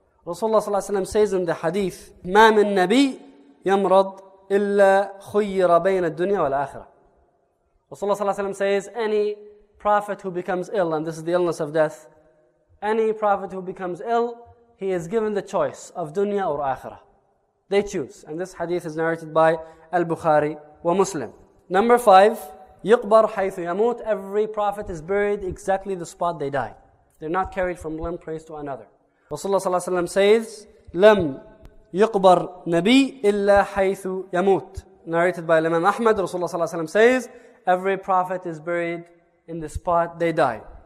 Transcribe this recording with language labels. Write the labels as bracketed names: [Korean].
[Arabic] Rasulullah sallallahu alayhi wa sallam [English] says in the hadith, [Arabic] مَا مِن نَبِيٍّ يَمْرَضْ إِلَّا خُيِّرَ بَيْنَ الدُّنْيَا وَالْآخِرَةِ. [English] Rasulullah sallallahu alayhi wa sallam says, any prophet who becomes ill, and this is the illness of death, any prophet who becomes ill, he is given the choice of dunya or akhirah. They choose. And this hadith is narrated by Al-Bukhari wa Muslim. Number 5, [Arabic] يُقْبَرْ حَيْثُ يَمُوتْ. [English] Every prophet is buried exactly the spot they die. They're not carried from one place to another. [Arabic] Rasulullah sallallahu alayhi wa sallam says, لَمْ يُقْبَرْ نَبِيٍّ إِلَّا حَيْثُ يَمُوتْ. [English] Narrated by Imam Ahmad, Rasulullah sallallahu alayhi wa sallam says, every prophet is buried in the spot they die.